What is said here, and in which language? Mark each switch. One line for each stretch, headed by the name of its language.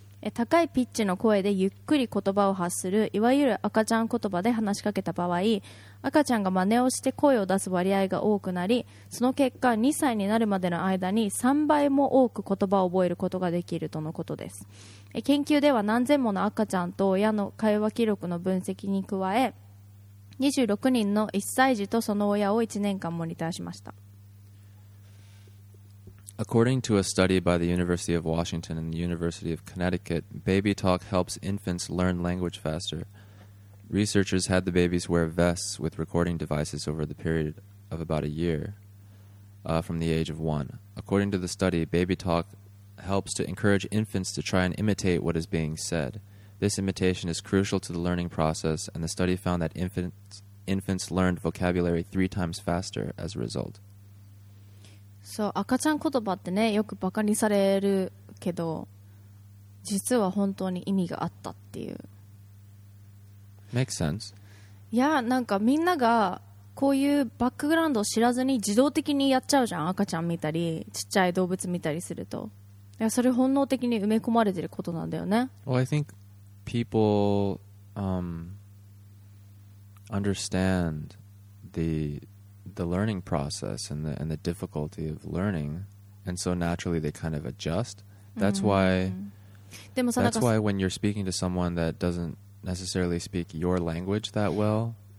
Japanese: 高いピッチの声でゆっくり言葉を発するいわゆる赤ちゃん言葉で話しかけた場合、赤ちゃんが真似をして声を出す割合が多くなり、その結果2歳になるまでの間に3倍も多く言葉を覚えることができるとのことです。研究では何千もの赤ちゃんと親の会話記録の分析に加え、26人の1歳児とその親を1年間モニターしました。
English: According to a study by the University of Washington and the University of Connecticut, baby talk helps infants learn language faster. Researchers had the babies wear vests with recording devices over the period of about a year, from the age of one. According to the study, baby talk helps to encourage infants to try and imitate what is being said. This imitation is crucial to the learning process, and the study found that infants learned vocabulary 3 times faster as a result.
Japanese: そう、赤ちゃん言葉ってね、よくバカにされるけど、実は本当に意味があったっていう。
English: Makes sense.
Japanese: いや、なんかみんながこういうバックグラウンドを知らずに自動的にやっちゃうじゃん。赤ちゃん見たり、ちっちゃい動物見たりすると。いや、それ本能的に埋め込まれてることなんだよね。
English: Well, I think people, understand the learning process and the difficulty of learning, and so naturally they kind of adjust. That's why. That's why when you're speaking to someone that doesn't necessarily speak your language that well,